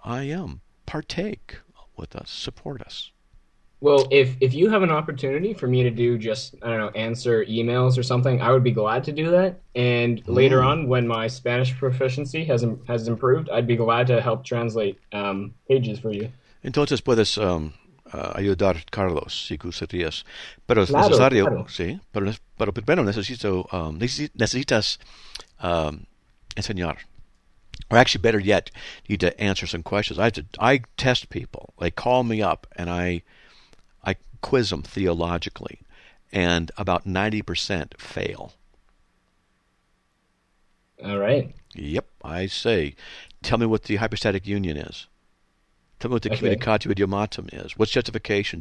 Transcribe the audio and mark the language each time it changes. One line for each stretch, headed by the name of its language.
English: I am. Partake with us. Support us. Well, if you have an opportunity for me to do just, I don't know, answer emails or something, I would be glad to do that. And later on, when my Spanish proficiency has improved, I'd be glad to help translate pages for you.
Spanish: Entonces puedes ayudar, Carlos, si gustarías. Pero es necesario, sí. Pero primero necesito, necesitas enseñar.
English: Or actually, better yet, need to answer some questions. I test people. They call me up, and I quiz them theologically, and about 90% fail. All right. Yep. I say, tell me what the hypostatic union is. Tell me what the communicatio idiomatum is. What's justification?